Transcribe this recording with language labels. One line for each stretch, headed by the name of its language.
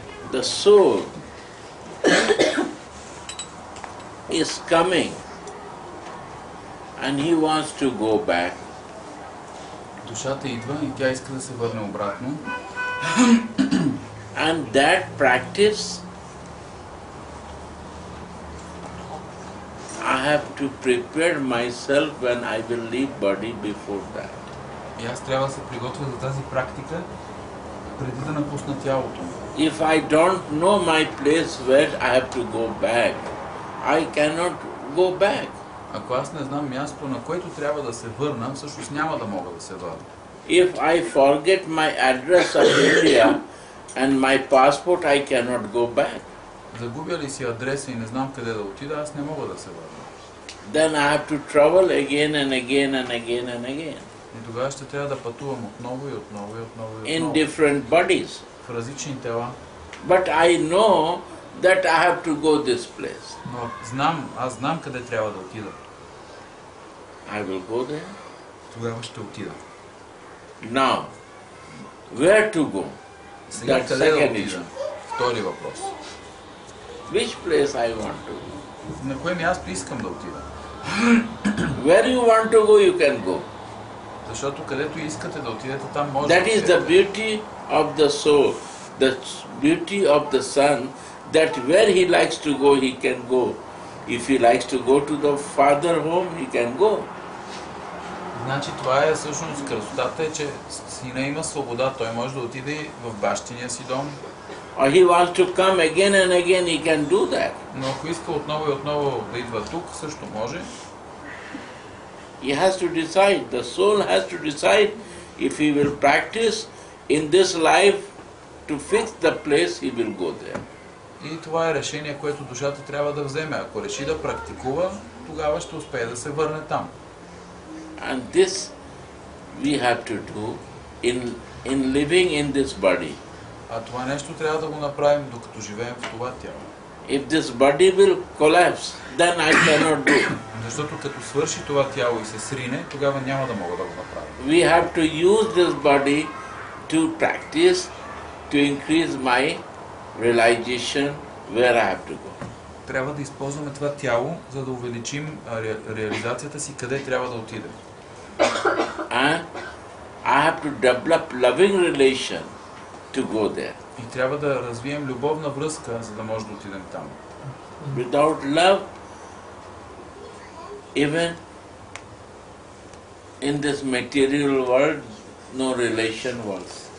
English: The soul is coming and he wants to go back.
Bulgarian: Душата идва и тя иска да се върне обратно.
English: And that practice I have to prepare myself when I will leave body before that.
Bulgarian: И аз трябва да се приготвя за тази практика преди да напусна тялото.
English: If I don't know my place where I have to go back, I cannot go back.
Bulgarian: Ако аз не знам място, на което трябва да се върна, всъщност няма да мога да се върна.
English: If I forget my address of India and my passport, I cannot go back.
Bulgarian: Загубя ли си адреса и не знам къде да отида, аз не мога да се върна.
English: Then I have to travel again and again and again and again.
Bulgarian: И тогава ще трябва да пътувам отново и отново и отново.
English: In different bodies.
Bulgarian: В различни тела.
English: But I know that I have to go this place.
Bulgarian: Но аз знам къде трябва да отида.
English: I will go there.
Bulgarian: Тогава ще отида.
English: Now, where to go?
Bulgarian: Сега къде да отида? Втори въпрос.
English: Which place I want to go?
Bulgarian: На кое място искам да отида?
English: Where you want to go, you can go.
Bulgarian: Защото където искате да отидете, там може.
English: That is the beauty of the soul, the beauty of the sun, that where he likes to go, he can go. If he likes to go to the father home, he can go.
Bulgarian: Значи това е всъщност красотата, че сина има свобода, той може да отиде в бащиния си дом.
English: Or he wants to come again and again, he can do that.
Bulgarian: Но ако иска отново и отново да идва тук, също може.
English: He has to decide, the soul has to decide if he will practice in this life to fix the place, he will go there.
Bulgarian: И това е решение, което душата трябва да вземе. Ако реши да практикува, тогава ще успее да се върне там.
English: And this we have to do in living in this body.
Bulgarian: А това нещо трябва да го направим, докато живеем в това тяло.
English: If this body will collapse, then I cannot do.
Bulgarian: Защото като свърши това тяло и се срине, тогава няма да мога да го направя.
English: We have to use this body to practice, to increase my realization where I have to go.
Bulgarian: Трябва да използваме това тяло, за да увеличим реализацията си къде трябва да отидем.
English: And I have to develop loving relation to go there.
Bulgarian: И трябва да развием любовна връзка, за да може да отидем там.
English: Without love, even in this material world, no relation works.